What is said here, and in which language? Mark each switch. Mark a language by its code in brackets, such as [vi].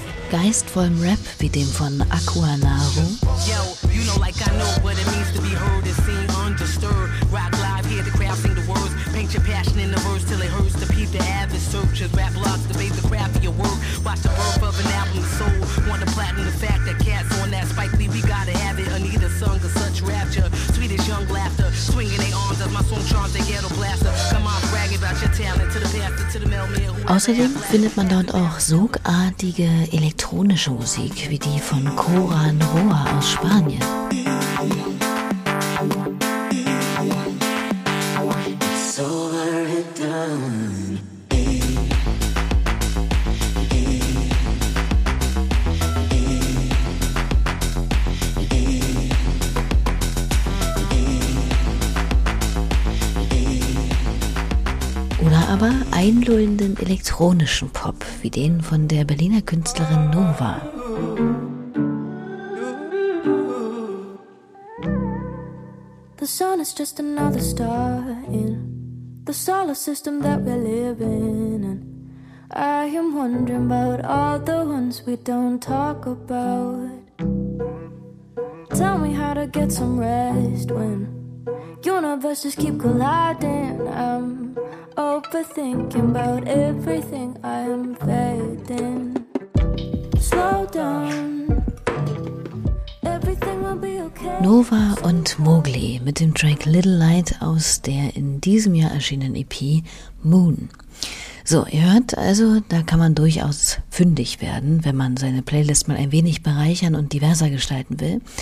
[de] Geistvollem Rap wie dem von Aqua Naro. [en] Yo, you know like I know what it means to be heard and seen undisturbed. Rock live, hear the crowd sing the words. Paint your passion in the verse till it hurts to peep the avid searchers. Rap blogs debate the craft of your work. Watch the birth of an album sold. Want to platinum the fact that cats on that Spike Lee, we gotta have it. Anita sung of such rapture. Sweetest young laughter. Swinging they arms as my song charms they ghetto blaster. Come on, brag about your talent to the pastor, to the mailman. [de] Außerdem findet man dort auch sogartige elektronische Musik, wie die von Coran Roa aus Spanien. Aber einlullenden elektronischen Pop, wie den von der Berliner Künstlerin Nova. [en] The sun is just another star in the solar system that we live in. And I am wondering about all the ones we don't talk about. Tell me how to get some rest when universes keep colliding. I'm overthinking about everything I am fed in. Slow down. Everything will be okay. [de] Nova und Mowgli mit dem Track Little Light aus der in diesem Jahr erschienenen EP Moon. So, ihr hört also, da kann man durchaus fündig werden, wenn man seine Playlist mal ein wenig bereichern und diverser gestalten will.